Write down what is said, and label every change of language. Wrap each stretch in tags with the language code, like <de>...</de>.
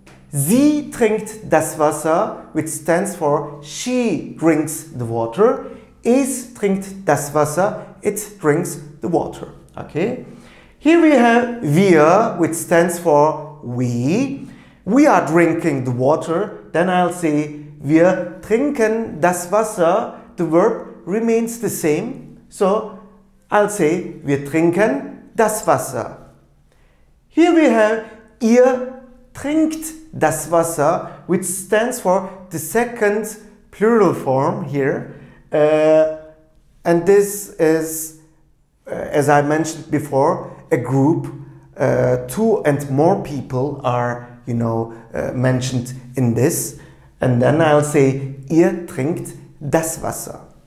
<de>Sie trinkt das Wasser,</de> <en>which stands for she drinks the water.</en> <de>Es trinkt das Wasser,</de> <en>it drinks the water. Okay. Here we have wir, which stands for we. We are drinking the water. Then I'll say</en> <de>wir trinken das Wasser.</de> <en>The verb remains the same. So I'll say</en> <de>wir trinken das Wasser.</de> <en>Here we have</en> <de>ihr trinkt das Wasser,</de> <en>which stands for the second plural form here. And this is, as I mentioned before, a group. Two and more people are, mentioned in this. And then I'll say</en> <de>ihr trinkt das Wasser.</de>